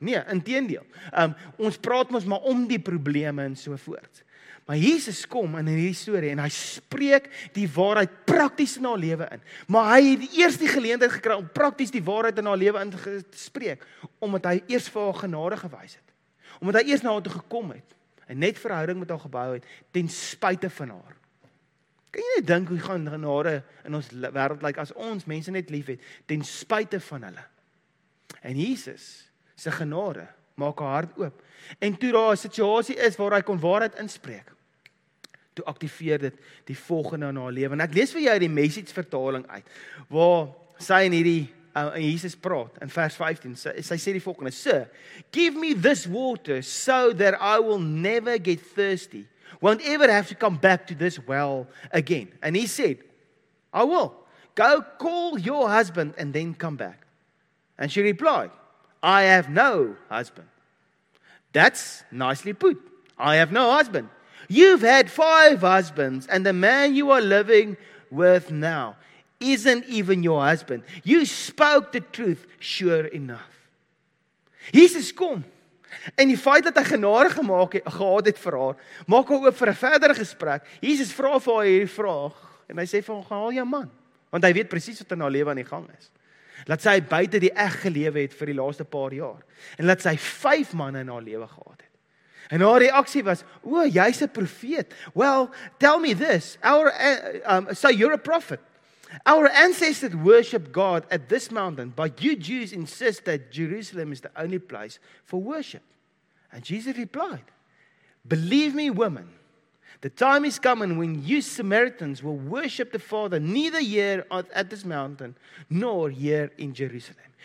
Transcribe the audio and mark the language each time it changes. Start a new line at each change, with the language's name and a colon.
Afrikaans: Nee, inteendeel. Ons praat mos maar om die probleme en so voort. Maar Jesus kom in hierdie storie en hy spreek die waarheid prakties in haar lewe in. Maar hy het eers die geleentheid gekry om prakties die waarheid in haar lewe in te spreek, omdat hy eers vir haar genade gewys het. Omdat hy eers na haar toe gekom het en net verhouding met haar gebou het ten spyte van haar. Kan jy nie dink hoe gaan genade in ons wêreld lyk as ons mense net lief het ten spyte van hulle? En Jesus se genade maak haar hart oop. En toe daar 'n situasie is waar hy kon waarheid inspreek, toe aktiveer dit die volgende in haar lewe. En ek lees vir jou die message vertaling uit, waar sy in hierdie, in Jesus praat, in vers 15, sy sê die volgende,
English: Sir, give me this water so that I will never get thirsty, won't ever have to come back to this well again. And he said, I will. Go call your husband and then come back. And she replied, I have no husband. That's nicely put. I have no husband. You've had 5 husbands, and the man you are living with now isn't even your husband. You spoke the truth sure enough.
Afrikaans: Jesus kom, en die feit dat hy genade gemaak het, gehad het vir haar, maak haar oop vir 'n verdere gesprek. Jesus vra vir haar hierdie vraag, en hy sê vir hom, haal jou man, want hy weet presies wat in haar lewe aan die gang is. Laat sy buite die eg gelewe het vir die laaste paar jaar. En laat sy 5 manne in haar lewe gehad het. En haar reaksie was, o, jy's 'n profeet.
English: Well, tell me this. You're a prophet. Our ancestors worship God at this mountain, but you Jews insist that Jerusalem is the only place for worship. And Jesus replied, believe me, woman, the time is coming when you Samaritans will worship the Father neither here at this mountain nor here in Jerusalem.